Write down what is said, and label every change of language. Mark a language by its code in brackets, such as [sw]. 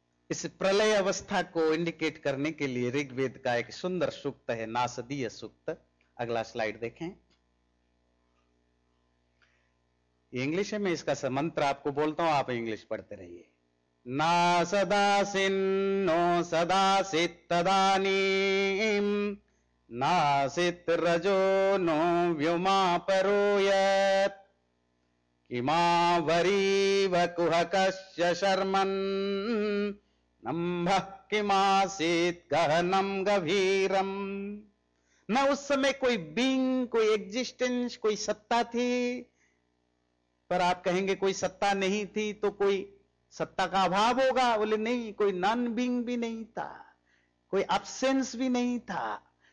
[hi] इस प्रलय अवस्था को इंडिकेट करने के लिए ऋग्वेद का एक सुंदर सूक्त है, नासदीय सूक्त। अगला स्लाइड देखें, इंग्लिश है, मैं इसका मंत्र आपको बोलता हूं, आप इंग्लिश पढ़ते रहिए। [sa] ना सदासिन्नो सदासित्तदानीम् नासित् रजो नो व्योमा परोयत् किमा वरीव कुहकस्य शर्मन् नम्भ किमासीत् गहनम् गभीरम्। [hi] न उस समय कोई बींग, कोई एग्जिस्टेंस, कोई सत्ता थी, पर आप कहेंगे कोई सत्ता नहीं थी तो कोई सत्ता का अभाव होगा, बोले नहीं, कोई नॉन बींग भी नहीं था, कोई अब्सेंस भी नहीं था।